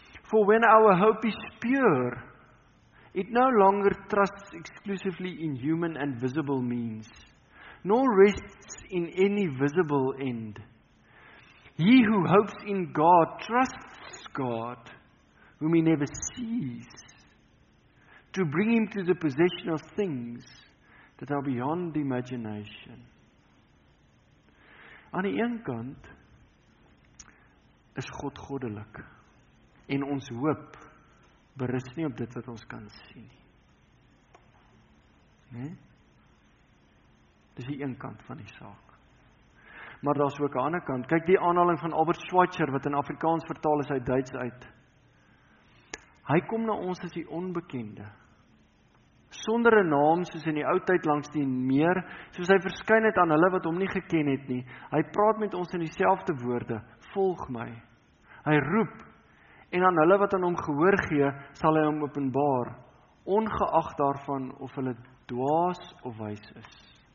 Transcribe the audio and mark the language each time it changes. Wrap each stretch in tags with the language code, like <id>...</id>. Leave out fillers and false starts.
<en>For when our hope is pure, it no longer trusts exclusively in human and visible means, nor rests in any visible end. He who hopes in God trusts God, whom he never sees, to bring him to the possession of things that are beyond imagination.</en> <af>Aan die een kant is God goddelik. En ons hoop berus nie op dit wat ons kan sien nie. Né? Dis die een kant van die saak. Maar daar's ook 'n ander kant. Kyk die aanhaling van Albert Schweitzer wat in Afrikaans vertaal is uit Duits uit. Hy kom na ons as die onbekende. Sonder 'n naam soos in die ou tyd langs die meer, soos hy verskyn het aan hulle wat hom nie geken het nie. Hy praat met ons in dieselfde woorde, "Volg my." Hy roep en aan hulle wat aan hom gehoor gee, sal hy hom openbaar, ongeag daarvan of hulle dwaas of wys is.</af>